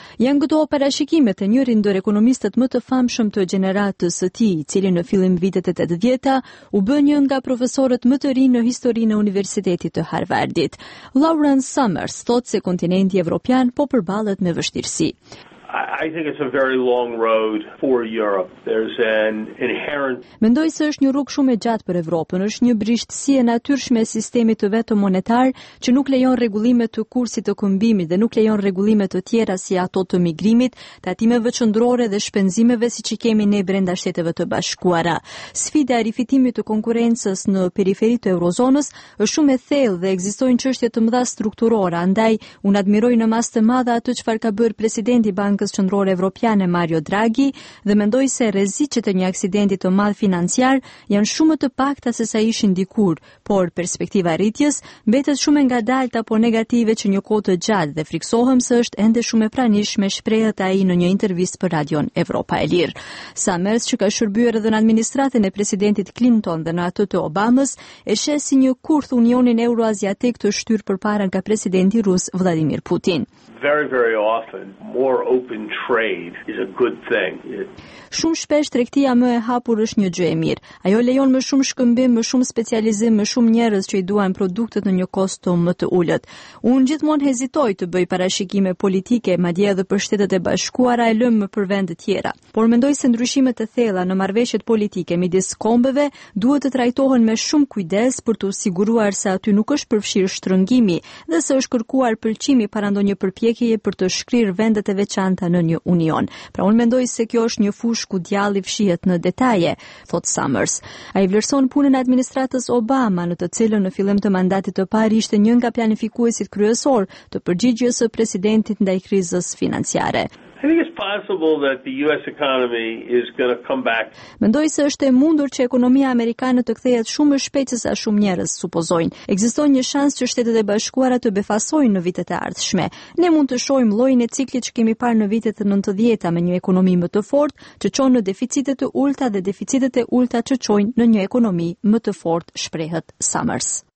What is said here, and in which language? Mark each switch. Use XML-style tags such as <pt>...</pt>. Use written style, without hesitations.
<sq>Janë këto parashikimet e njëri ndër ekonomistët më të famshëm të gjeneratës së tij, i cili në fillim vitet e 80-ta u bë një nga profesorët më të rinë në historinë e Universitetit të Harvardit. Lawrence Summers thotë se kontinenti evropian po përballet me vështirësi.</sq> <en>I think it's a very long road for Europe. There's an inherent.</en> <sq>Mendoj se është një rrugë shumë e gjatë për Evropën. Është një brishtësi e natyrshme e sistemit të vetëm monetar që nuk lejon rregullime të kursit të këmbimit dhe nuk lejon rregullime të tjera si ato të migrimit, tatimeve qendrore dhe shpenzimeve siç i kemi ne brenda Shteteve të Bashkuara. Sfida e rifitimit të konkurrencës në periferitë e eurozonës është shumë e thellë dhe ekzistojnë çështje të mëdha strukturore. Andaj un admiroj në mas të madhe atë çfarë ka bërë presidenti Bankës Qendrore Evropiane Mario Draghi dhe mendoj se rreziqet e një aksidenti të madh financiar janë shumë të pakta se sa ishin dikur, por perspektiva rritjes mbetet shumë ngadalt apo negative që një kohë të gjatë dhe friksohem se është ende shumë e pranishme, shprehet ai në një intervistë për Radion Evropa e Lirë. Sa mers që ka shërbyer edhe në administratën e presidentit Clinton dhe në atë të Obamas, e sheh si një kurth Unionin Euroaziatik të shtyr përpara nga presidenti rus Vladimir Putin.</sq> <en>Very often more open trade is a good thing.</en> <sq>Shumë shpesh tregtia më e hapur është një gjë e mirë. Ajo lejon më shumë shkëmbim, më shumë specializim, më shumë njerëz që i duan produktet në një kosto më të ulët. Unë gjithmonë hezitoj të bëj parashikime politike, madje edhe për Shtetet e Bashkuara e lëm më për vende tjera. Por mendoj se ndryshimet e thella në marrëveshjet politike midis kombeve duhet të trajtohen me shumë kujdes për të siguruar se aty nuk është përfshirë shtrëngimi dhe se është kërkuar pëlqimi para ndonjë përpjekjeje për të shkrirë vendet e veçanta në një union. Pra unë mendoj se kjo është një fushë ku djalli fshihet në detaje, thot Summers. Ai vlerëson punën e administratës Obama, në të cilën në fillim të mandatit të parë ishte një nga planifikuesit kryesor të përgjigjes së presidentit ndaj krizës financiare.</sq> <en>I think it's possible that the US economy is going to come back.</en> <sq>Mendoj se është e mundur që ekonomia amerikane të kthehet shumë më shpejt se sa shumë njerëz supozojnë. Ekziston një shans që Shtetet e Bashkuara të befasojnë në vitet e ardhshme. Ne mund të shohim llojin e ciklit që kemi parë në vitet e 90-ta me një ekonomi më të fortë që çon në deficite të ulta dhe deficitet e ulta që çojnë në një ekonomi më të fortë, shprehet Summers.</sq>